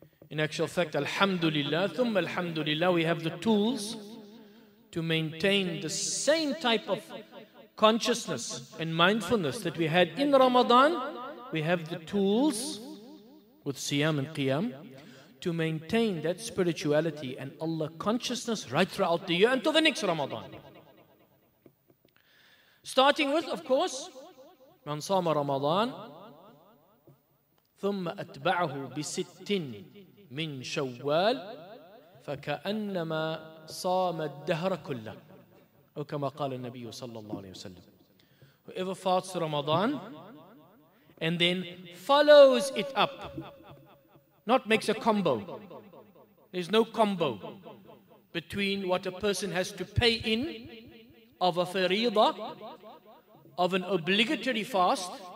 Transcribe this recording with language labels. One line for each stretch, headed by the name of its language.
English: In actual fact,
Arabic: الحمد لله ثم الحمد لله,
English: we have the tools to maintain the same type of consciousness and mindfulness that we had in Ramadan. We have the tools with Siyam and Qiyam to maintain that spirituality and Allah consciousness right throughout the year until the next Ramadan. Starting with, of course,
Arabic: من صام رمضان ثم أتبعه بست من شوال فكأنما صام الدهر كله. أو كما قال النبي صلى الله عليه وسلم:
English: whoever fasts Ramadan and then follows it up, not makes a combo. There's no combo between what a person has to pay in of a fariḍa, of an obligatory fast.